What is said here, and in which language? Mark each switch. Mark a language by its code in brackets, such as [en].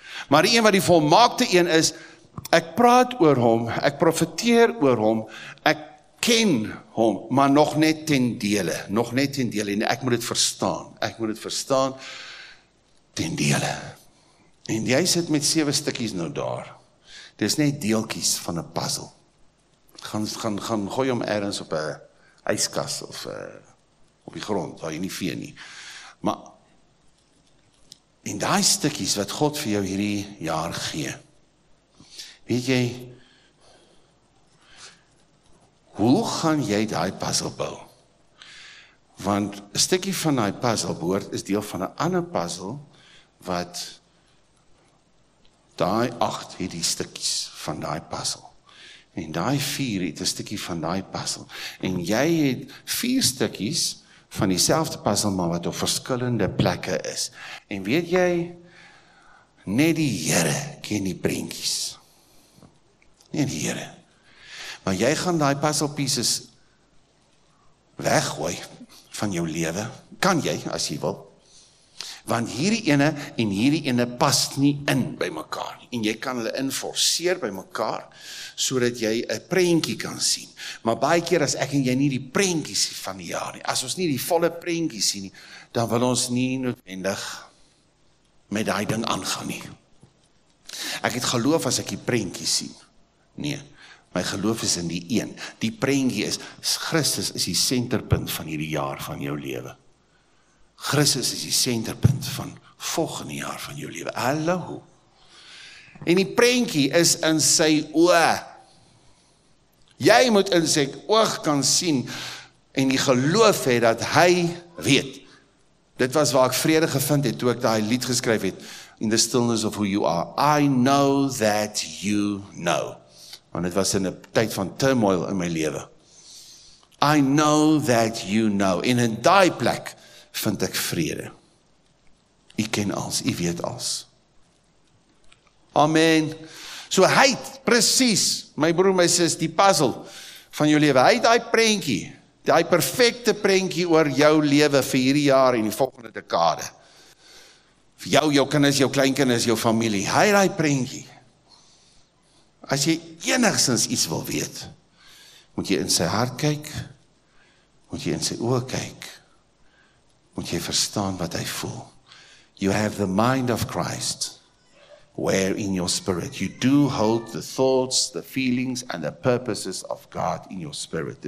[af] Maar die een wat die volmaakte een is, ek praat oor hom, ek profeteer oor hom, ek ken hom, maar nog net ten dele, nog net ten dele, en ek moet het verstaan ten dele. En jy sit met 7 stikkies nou daar. Dit is net deelkies van een puzzle. Gaan gooi om ergens op een ijskas of op die grond, waar jy nie vee nie. Maar, en die stikkies wat God vir jou hierdie jaar gee, weet jy, hoe gaan jy die puzzle bou? Want een stikkie van die puzzle behoort is deel van een ander puzzle wat daai 8 het die stikkies van daai puzzel. En daai 4 het die stikkie van daai puzzel. En jy het 4 stikkies van die selfde puzzel, maar wat op verskillende plekke is. En weet jy, net die Here ken die prentjies. Nie in die Here. Maar jy gaan die puzzle pieces weggooi van jou lewe. Kan jy, as jy wil. Want hierdie ene en hierdie ene pas nie in by mekaar. En jy kan hulle inforceer by mekaar, sodat jy 'n prentjie kan sien. Maar baie keer as ek en jy nie die prentjies van die jaar nie, as ons nie die volle prentjie sien nie, dan wil ons nie noodwendig met daai ding aangaan nie. Ek het geloof as ek die prentjie sien. Nee, my geloof is in die een. Die prentjie is, Christus is die senterpunt van hierdie jaar van jou lewe. Christus is die senterpunt van volgende jaar van jou lewe. Hallo. En die prentjie is in sy oog. Jy moet in sy oog kan sien en die geloof hê dat hy weet. Dit was waar ek vrede gevind het toe ek daai lied geskryf het. [en] In the stillness of who you are, I know that you know. [af] Want het was in 'n tyd van turmoil in my lewe. [en] I know that you know. [af] En in daai plek vind ek vrede. U ken alles, u weet alles. Amen. So hy het precies, my broer, my sis, die puzzle van jou lewe. Hy het die prentjie, die perfekte prentjie oor jou lewe vir hierdie jaar en die volgende dekade. Vir jou, jou kinders, jou kleinkinders, jou familie. Hy het die prentjie. As jy enigszins iets wil weet, moet jy in sy hart kyk, moet jy in sy oog kyk, moet jy verstaan wat hy voel. [en] You have the mind of Christ, where in your spirit. You do hold the thoughts, the feelings, and the purposes of God in your spirit.